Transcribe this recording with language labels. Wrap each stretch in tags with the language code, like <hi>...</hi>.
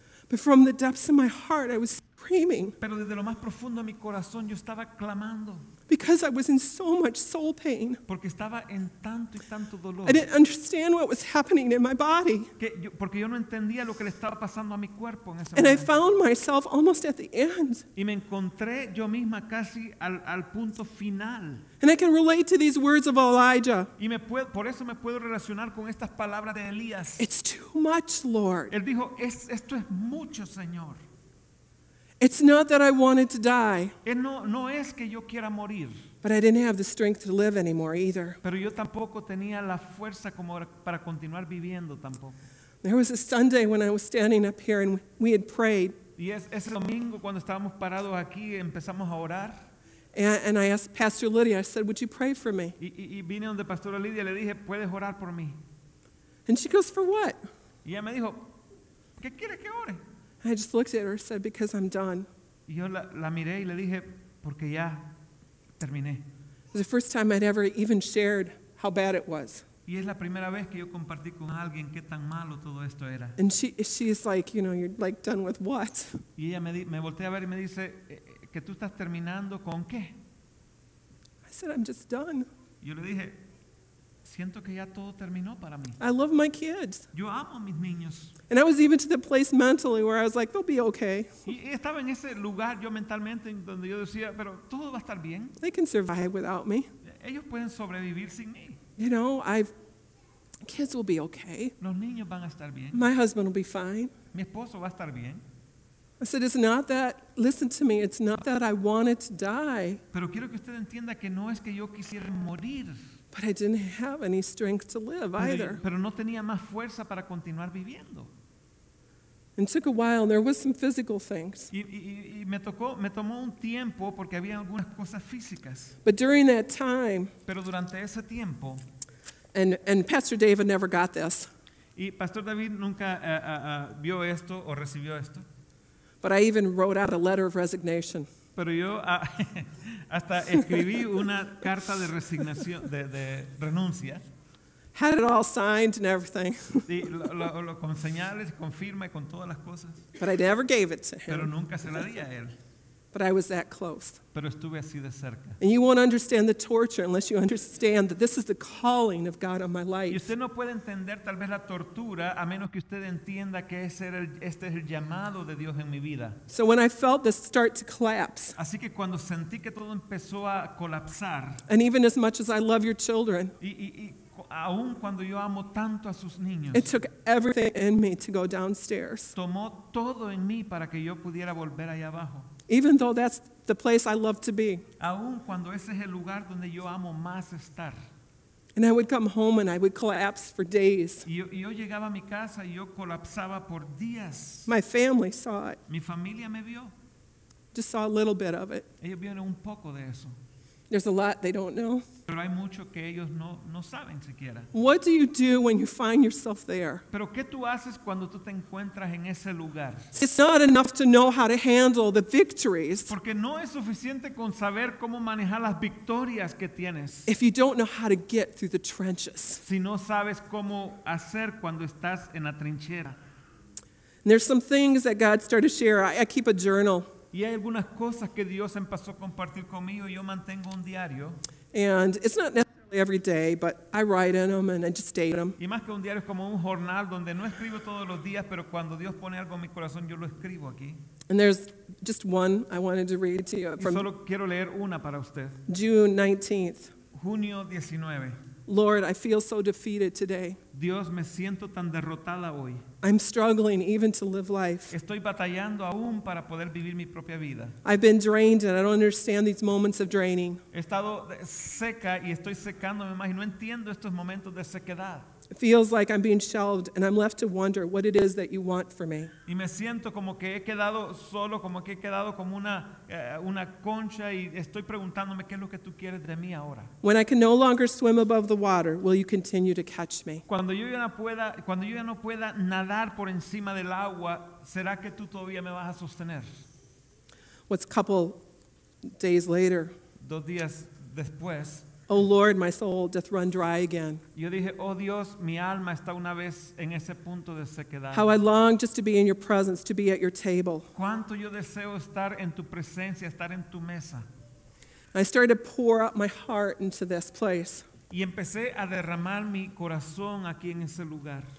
<en>But from the depths of my heart, I was screaming.</en> <es>Pero desde lo más profundo de mi corazón, yo estaba clamando.</es> <en>Because I was in so much soul pain.</en> <es>Porque estaba en tanto y tanto dolor.</es> <en>I didn't understand what was happening in my body.</en> <es>Porque yo no entendía lo que le estaba pasando a mi cuerpo en ese momento.</es> <en>And I found myself almost at the end.</en> <es>Y me encontré yo misma casi al punto final.</es> <en>And I can relate to these words of Elijah.</en> <es>Y por eso me puedo relacionar con estas palabras de Elías.</es> <en>It's too much, Lord.</en> <es>Él dijo, esto es mucho, Señor.</es> <en>It's not that I wanted to die.</en> <es>No es que yo quiera morir.</es> <en>But I didn't have the strength to live anymore either.</en> <es>Pero yo tampoco tenía la fuerza como para continuar viviendo tampoco.</es> <en>There was a Sunday when I was standing up here and we had prayed.</en> <es>Y ese domingo cuando estábamos parados aquí empezamos a orar.</es> <en>And I asked Pastor Lydia, I said, would you pray for me?</en> <es>Y vine donde Pastora Lydia, le dije, ¿puedes orar por mí?</es> <en>And she goes, for what?</en> <es>Y ella me dijo, ¿qué quiere que ore?</es> <en>I just looked at her and said, because I'm done.</en> <es>Yo la miré y le dije, porque ya terminé.</es> <en>It was the first time I'd ever even shared how bad it was.</en> <es>Y es la primera vez que yo compartí con alguien qué tan malo todo esto era.</es> <en>And she's like, you know, you're like done with what?</en> <es>Y ella me volteé a ver y me dice, que tú estás terminando con qué?</es> <en>I said, I'm just done.</en> <es>Yo le dije, siento que ya todo terminó para mí.</es> <en>I love my kids.</en> <es>Yo amo a mis niños.</es> <en>And I was even to the place mentally where I was like, they'll be okay.</en> <es>Y estaba en ese lugar yo mentalmente donde yo decía, pero todo va a estar bien.</es> <en>They can survive without me.</en> <es>Ellos pueden sobrevivir sin mí.</es> <en>You know, kids will be okay.</en> <es>Los niños van a estar bien.</es> <en>My husband will be fine.</en> <es>Mi esposo va a estar bien.</es> <en>I said, it's not that, listen to me, it's not that I wanted to die.</en> <es>Pero quiero que usted entienda que no es que yo quisiera morir.</es> <en>But I didn't have any strength to live either.</en> <es>Pero no tenía más fuerza para continuar viviendo.</es> <en>And it took a while, and there was some physical things.</en> <es>Y me tomó un tiempo porque había algunas cosas físicas.</es> <en>But during that time,</en> <es>pero durante ese tiempo,</es> <en>and Pastor David never got this.</en> <es>Y Pastor David nunca vio esto o recibió esto.</es> <en>But I even wrote out a letter of resignation.</en> <es>Pero yo hasta escribí una carta de resignación, de renuncia.</es> <en>Had it all signed and everything.</en> <es>Y lo con señales, con firma y con todas las cosas.</es> <en>But I never gave it to him.</en> <es>Pero nunca se la di a él.</es> <en>But I was that close.</en> <es>Pero estuve así de cerca.</es> <en>And you won't understand the torture unless you understand that this is the calling of God on my life.</en> <es>Y usted no puede entender tal vez la tortura a menos que usted entienda que este es el llamado de Dios en mi vida.</es> <en>So when I felt this start to collapse.</en> <es>Así que cuando sentí que todo empezó a colapsar.</es> <en>And even as much as I love your children.</en> <es>Y aun cuando yo amo tanto a sus niños.</es> <en>It took everything in me to go downstairs.</en> <es>Tomó todo en mí para que yo pudiera volver allá abajo.</es> <en>Even though that's the place I love to be.</en> <es>Aun cuando ese es el lugar donde yo amo más estar.</es> <en>And I would come home and I would collapse for days.</en> <es>Yo llegaba a mi casa y yo colapsaba por días.</es> <en>My family saw it.</en> <es>Mi familia me vio.</es> <en>Just saw a little bit of it.</en> <es>Ellos vieron un poco de eso.</es> <en>There's a lot they don't know.</en> <es>Pero hay mucho que ellos no saben siquiera.</es> <en>What do you do when you find yourself there?</en> <es>Pero ¿qué tú haces cuando tú te encuentras en ese lugar?</es> <en>It's not enough to know how to handle the victories.</en> <es>Porque no es suficiente con saber cómo manejar las victorias que tienes.</es> <en>If you don't know how to get through the trenches.</en> <es>Si no sabes cómo hacer cuando estás en la trinchera.</es> <en>And there's some things that God started to share. I keep a journal.</en> <es>Y hay algunas cosas que Dios empezó a compartir conmigo y yo mantengo un diario.</es> <en>And it's not necessarily every day, but I write in them and I just date them.</en> <es>Y más que un diario es como un jornal donde no escribo todos los días, pero cuando Dios pone algo en mi corazón, yo lo escribo aquí.</es> <en>And there's just one I wanted to read to you.</en> <es>From solo quiero leer una para usted.</es> <en>June 19th.</en> <es>Junio 19.</es> <en>Lord, I feel so defeated today.</en> <es>Dios, me siento tan derrotada hoy.</es> <en>I'm struggling even to live life.</en> <es>Estoy batallando aún para poder vivir mi propia vida.</es> <en>I've been drained and I don't understand these moments of draining.</en> <es>He estado seca y estoy secándome más y no entiendo estos momentos de sequedad.</es> <en>It feels like I'm being shelved and I'm left to wonder what it is that you want for me.</en> <es>Y me siento como que he quedado solo, como que he quedado como una concha y estoy preguntándome qué es lo que tú quieres de mí ahora.</es> <en>When I can no longer swim above the water, will you continue to catch me?</en> <es>Cuando yo ya no pueda nadar por encima del agua, ¿será que tú todavía me vas a sostener?</es> <en>What's a couple days later?</en> <es>2 días después.</es> <en>Oh Lord, my soul doth run dry again.</en> <es>Yo dije, oh Dios, mi alma está una vez en ese punto de sequedad.</es> <en>How I long just to be in your presence, to be at your table.</en> <es>Cuánto yo deseo estar en tu presencia, estar en tu mesa.</es> <en>I started to pour out my heart into this place.</en> <es>Y empecé a derramar mi corazón aquí en ese lugar.</es>